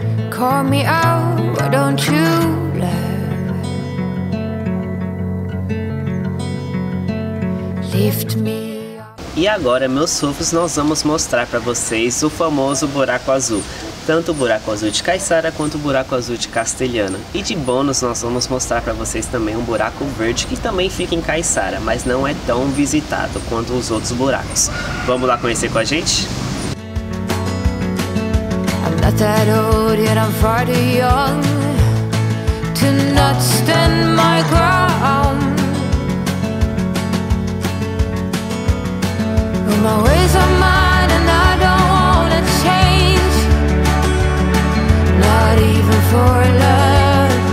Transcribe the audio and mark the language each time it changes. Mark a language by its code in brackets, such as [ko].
[en] Call me out, why don't you love? Lift me. [pt] E agora, meus fofos, nós vamos mostrar para vocês o famoso Buraco Azul. Tanto o Buraco Azul de Caiçara quanto o Buraco Azul de Castelhano. E de bônus, nós vamos mostrar para vocês também um Buraco Verde, que também fica em Caiçara, mas não é tão visitado quanto os outros buracos. Vamos lá conhecer com a gente? [en] I'm not that old, yet I'm far too young to not stand my ground. My ways are mine and I don't wanna change, not even for love.